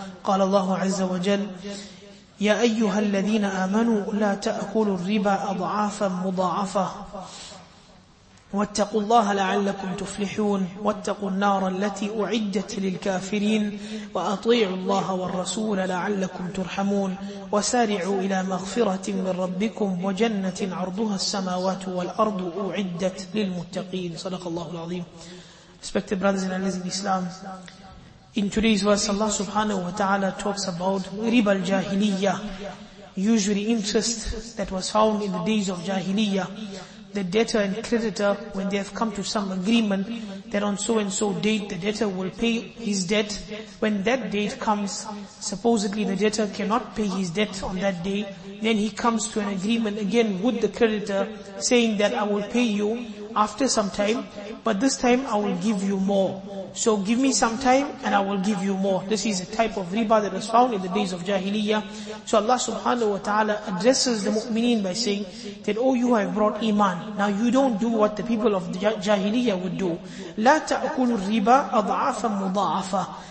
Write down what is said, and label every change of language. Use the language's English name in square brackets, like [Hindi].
[Arabic] قال الله عز وجل: يا أيها الذين آمنوا لا تأكلوا الربا أضعافا مضاعفة واتقوا الله لعلكم تفلحون واتقوا النار التي أعدت للكافرين وأطيعوا الله والرسول لعلكم ترحمون وسارعوا إلى مغفرة من ربكم وجنة عرضها السماوات والأرض أعدت للمتقين. صدق الله العظيم. [English] Respected brothers and sisters in Islam, in today's verse Allah subhanahu wa ta'ala talks about riba al-jahiliyyah, usually interest that was found in the days of jahiliyyah. The debtor and creditor, when they have come to some agreement that on so and so date the debtor will pay his debt, when that date comes, supposedly the debtor cannot pay his debt on that day, then he comes to an agreement again with the creditor saying that I will pay you after some time, but this time I will give you more. So give me some time and I will give you more. This is a type of riba that was found in the days of Jahiliyyah. So Allah subhanahu wa ta'ala addresses the mu'mineen by saying that, oh, you have brought iman. Now you don't do what the people of Jahiliyyah would do. [Arabic] لا تأكل الربا أضعافا مضاعفة.